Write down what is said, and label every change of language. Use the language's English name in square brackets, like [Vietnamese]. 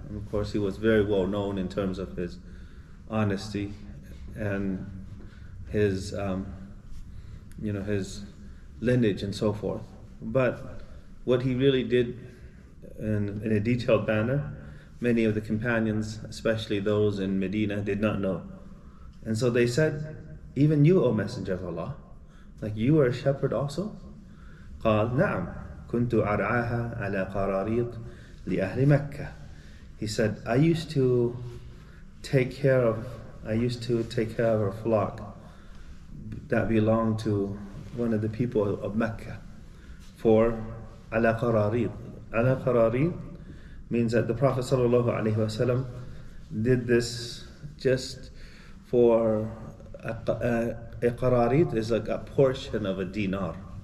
[English] And of course, he was very well known in terms of his honesty and his his lineage and so forth. But what he really did in a detailed manner, many of the companions, especially those in Medina, did not know. And so they said, Even you, O Messenger of Allah, like you are a shepherd also? [Arabic] قال نعم كنت أرعاها على قراريط لأهل مكة. [English] He said, I used to take care of a flock that belonged to one of the people of Mecca for [Arabic] على قراريط. على قراريط [English] means that the Prophet صلى الله عليه وسلم did this just for a qarariit is like a portion of a dinar.